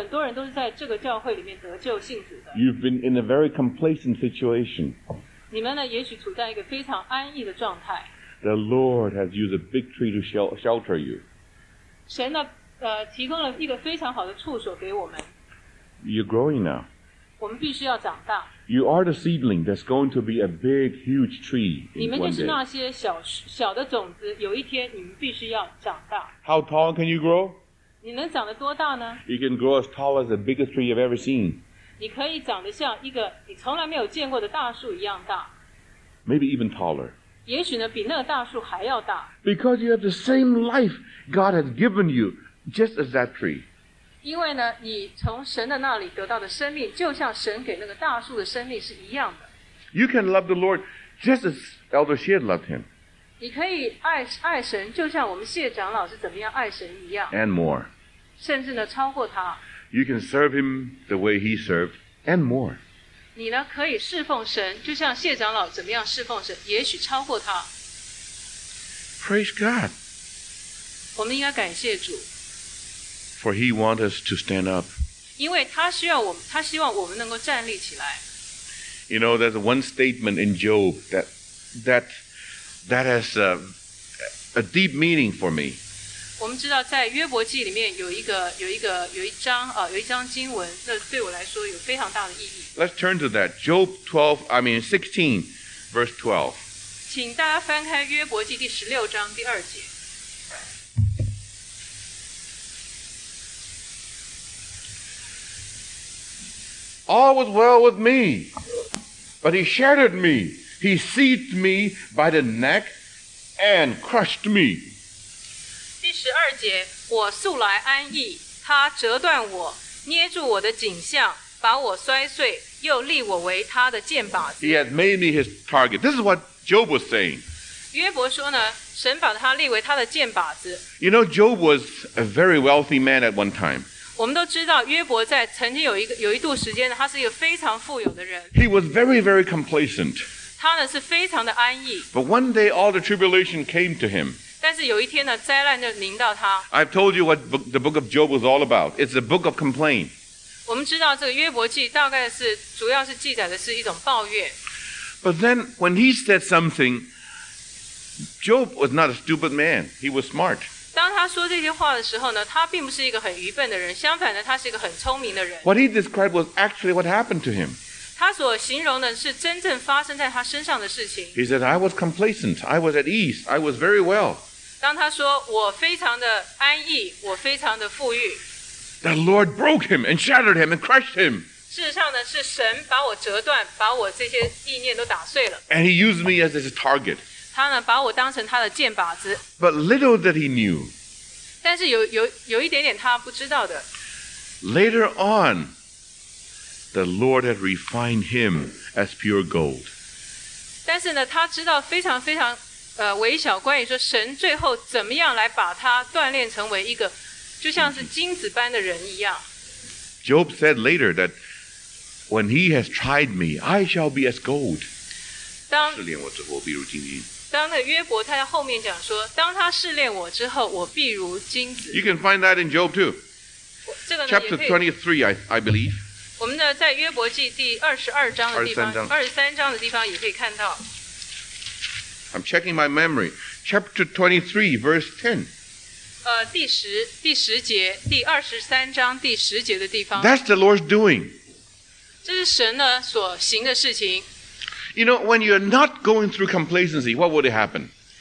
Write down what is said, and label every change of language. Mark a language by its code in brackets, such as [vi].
[zh] 弟兄姐妹当中，很多人都是在这个教会里面得救信主的。 [en] You've been in a very complacent situation. [zh] 你们呢，也许处在一个非常安逸的状态。 [en] The Lord has used a big tree to shelter you. [zh] 神呢，提供了一个非常好的处所给我们。 [en] You're growing now. [zh] 我们必须要长大。 [en] You are the seedling that's going to be a big, huge tree in one day. [zh] 你们就是那些小的种子，有一天你们必须要长大。 [en] How tall can you grow? [zh] 你能长得多大呢? [en] You can grow as tall as the biggest tree you've ever seen. [zh] 你可以长得像一个你从来没有见过的大树一样大。 [en] Maybe even taller. [zh] 也许呢比那个大树还要大。 [en] Because you have the same life God has given you, just as that tree. [zh] 因为呢你从神的那里得到的生命就像神给那个大树的生命是一样的。 [en] You can love the Lord just as Elder Shed loved him. [zh] 你可以 爱神就像我们谢长老是怎么样爱神一样。 [en] And more. [zh] 甚至呢超过他。 [en] You can serve him the way he served, and more. [zh] 你呢可以侍奉神，就像谢长老怎么样侍奉神，也许超过他。 [en] Praise God. [zh] 我们应该感谢主。 [en] For he wants us to stand up. [zh] 因为他需要我们，他希望我们能够站立起来。 [en] You know, there's one statement in Job that has a deep meaning for me. [zh] 我们知道在约伯记里面有一章经文，那对我来说有非常大的意义。 [en] Let's turn to that. Job 16, verse 12. [zh] 请大家翻开约伯记第十六章第二节。 [en] All was well with me, but he shattered me. He seized me by the neck and crushed me. [zh] 第十二节，我素来安逸，他折断我，捏住我的颈项，把我摔碎，又立我为他的箭靶子。 [en] He had made me his target. This is what Job was saying. [zh] 约伯说呢，神把他立为他的箭靶子。 [en] You know, Job was a very wealthy man at one time. [zh] 我们都知道，约伯在曾经有一度时间，他是一个非常富有的人。 [en] He was very, very complacent. [zh] 他呢是非常的安逸。 [en] But one day, all the tribulation came to him. [zh] 但是有一天呢，灾难就临到他。 [en] I've told you what the book of Job was all about. It's a book of complaint. [zh] 我们知道这个约伯记大概是主要是记载的是一种抱怨。 [en] But then when he said something, Job was not a stupid man. He was smart. [zh] 当他说这些话的时候呢，他并不是一个很愚笨的人，相反呢，他是一个很聪明的人。 [en] What he described was actually what happened to him. [zh] 他所形容的是真正发生在他身上的事情。 [en] He said, I was complacent. I was at ease. I was very well. [zh] 当他说我非常的安逸，我非常的富裕。 [en] The Lord broke him and shattered him and crushed him. [zh] 事实上呢，是神把我折断，把我这些意念都打碎了。 [en] And he used me as his target. [zh] 他呢，把我当成他的箭靶子。 [en] But little that he knew. [zh] 但是有一点点他不知道的。 [en] Later on, the Lord had refined him as pure gold. [zh] 但是呢，他知道非常非常。微小关于说神最后怎么样来把他锻炼成为一个就像是金子般的人一样。 [en] Job said later that when he has tried me, I shall be as gold. [zh] 试炼我之后，必如金银。当那约伯他在后面讲说，当他试炼我之后，我必如金子。 [en] You can find that in Job too. Chapter 23, I believe. [zh] 我们呢在约伯记第二十二章的地方，二十三章的地方也可以看到。 [en] I'm checking my memory. Chapter 23, verse 10. [zh] 第十节，第二十三章第十节的地方。 [en] That's the Lord's doing. [zh] 这是神呢所行的事情。 [en] You know, when you're not going through complacency, what would happen?